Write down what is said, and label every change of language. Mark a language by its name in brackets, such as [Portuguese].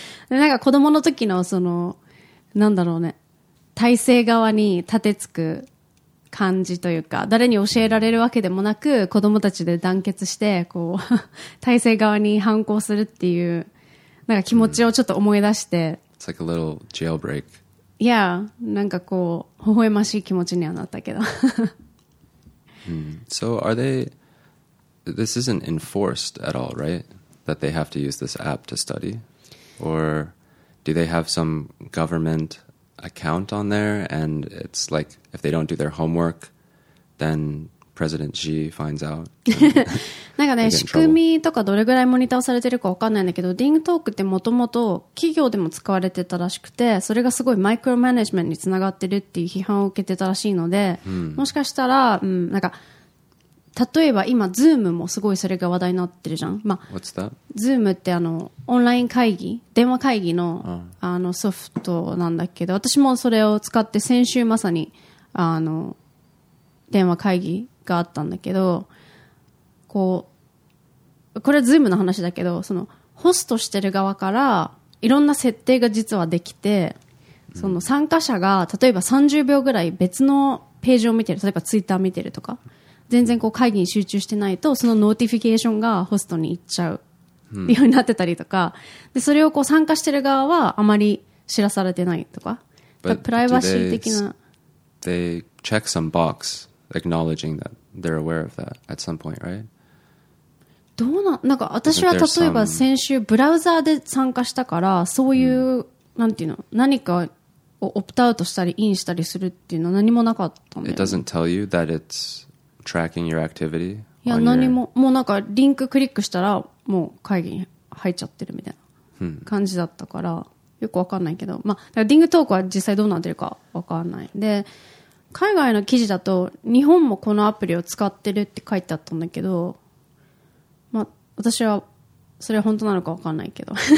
[Japanese] なんか子供の時のそのなんだろうね、体制側に立てつく感じというか、誰に教えられるわけでもなく子供たちで団結してこう体制側に反抗するっていうなんか気持ちをちょっと思い出して、 [English] It's like a little jailbreak. [Japanese] Yeah, なんかこう微笑ましい気持ちにはなったけど、 [English] So are they, this isn't enforced at all, right? That they have to use this app to study? Or do they have some governmentaccount on there, and it's like if they don't do their homework, then President Xi finds out. [Japanese] なんかね、仕組みとかどれぐらいモニターされてるかわかんないんだけど、Ding Talk ってもともと企業でも使われてたらしくて、それがすごいマイクロマネジメントにつながってるっていう批判を受けてたらしいので、もしかしたら、なんか例えば今 Zoom もすごいそれが話題になってるじゃん。 [English] まあ、What's that? [Japanese] Zoom ってあのオンライン会議、電話会議の、あのソフトなんだけど、私もそれを使って先週まさにあの電話会議があったんだけど、こうこれは Zoom の話だけど、そのホストしてる側からいろんな設定が実はできて、その参加者が例えば30秒ぐらい別のページを見てる、例えば Twitter 見てるとか、全然こう会議に集中してないとそのノーティフィケーションがホストに行っちゃうようになってたりとか、でそれをこう参加してる側はあまり知らされてないとか、プライバシー的な [English] they check some box acknowledging that they're aware of that at some point, right? [Japanese] どうな、なんか私は例えば先週ブラウザーで参加したから、そういう、なんていうの、何かをオプトアウトしたりインしたりするっていうのは何もなかったんだよ。 [English] It doesn't tell you that it'sTracking your activity. [Japanese] いや何も、もうなんかリンククリックしたらもう会議に入っちゃってるみたいな感じだったから、よくわかんないけど、まあ、ディングトークは実際どうなってるかわかんない。で、海外の記事だと、日本もこのアプリを使ってるって書いてあったんだけど、まあ、私は、それは本当なのかわかんないけど。